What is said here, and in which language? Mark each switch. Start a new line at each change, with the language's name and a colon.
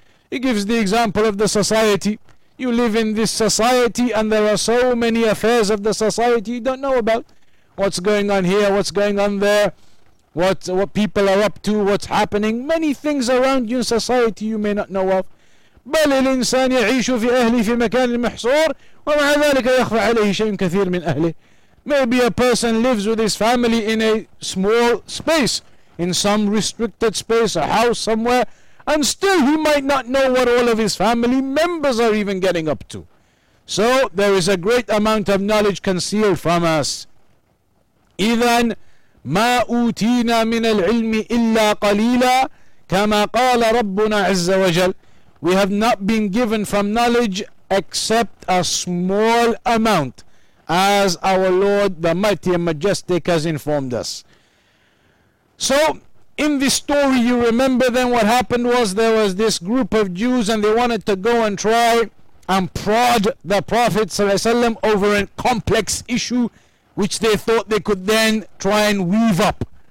English: He gives the example of the society. You live in this society and there are so many affairs of the society you don't know about. What's going on here, what's going on there, what people are up to, what's happening. Many things around you in society you may not know of.
Arabic: بل الإنسان يعيش في أهله في مكان محصور ومع ذلك يخفى عليه شيء كثير من أهله.
English: Maybe a person lives with his family in a small space, in some restricted space, a house somewhere, and still he might not know what all of his family members are even getting up to. So there is a great amount of knowledge concealed from us.
Arabic: إذن ما أوتينا من العلم إلا قليلا كما قال ربنا عز وجل.
English: We have not been given from knowledge except a small amount, as our Lord the Mighty and Majestic has informed us. So, in this story, you remember then what happened was there was this group of Jews and they wanted to go and try and prod the Prophet ﷺ over a complex issue which they thought they could then try and weave up.